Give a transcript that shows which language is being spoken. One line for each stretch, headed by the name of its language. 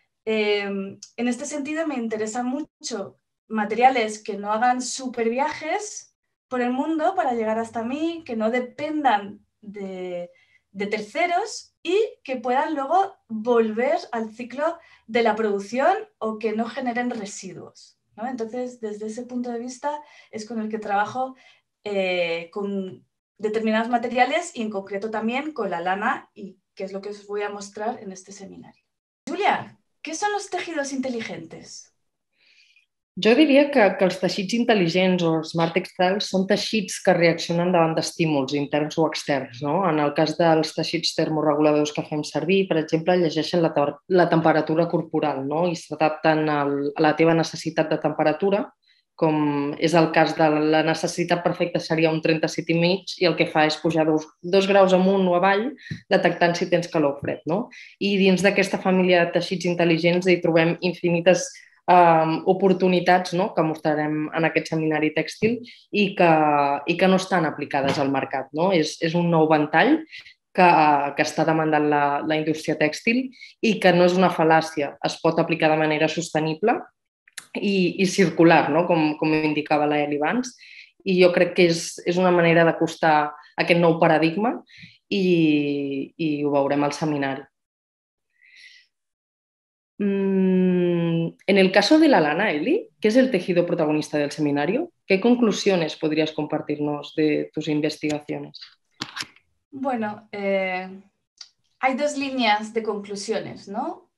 Spanish: En este sentido me interesan mucho materiales que no hagan super viajes por el mundo para llegar hasta mí, que no dependan de terceros y que puedan luego volver al ciclo de la producción o que no generen residuos, ¿no? Entonces, desde ese punto de vista es con el que trabajo con determinados materiales y en concreto también con la lana, y que es lo que os voy a mostrar en este seminario. Julia, ¿qué son los tejidos inteligentes?
Catalan: Jo diria que els teixits intel·ligents o smart textiles són teixits que reaccionen davant d'estímuls interns o externs, no? En el cas dels teixits termorreguladors que fem servir, per exemple, llegeixen la temperatura corporal, no? I s'adapten a la teva necessitat de temperatura, com és el cas de la necessitat perfecta seria un 37,5, i el que fa és pujar dos graus amunt o avall detectant si tens calor o fred, no? I dins d'aquesta família de teixits intel·ligents hi trobem infinites oportunitats, no?, que mostrarem en aquest seminari tèxtil i que no estan aplicades al mercat, no? És un nou ventall que està demandant la indústria tèxtil i que no és una fal·làcia, es pot aplicar de manera sostenible i circular, no?, com indicava l'Eli abans. I jo crec que és una manera d'acostar aquest nou paradigma i ho veurem al seminari.
Spanish: En el caso de la lana, Eli, ¿qué es el tejido protagonista del seminario? ¿Qué conclusiones podrías compartirnos de tus investigaciones? Bueno, hay dos líneas de conclusiones, ¿no?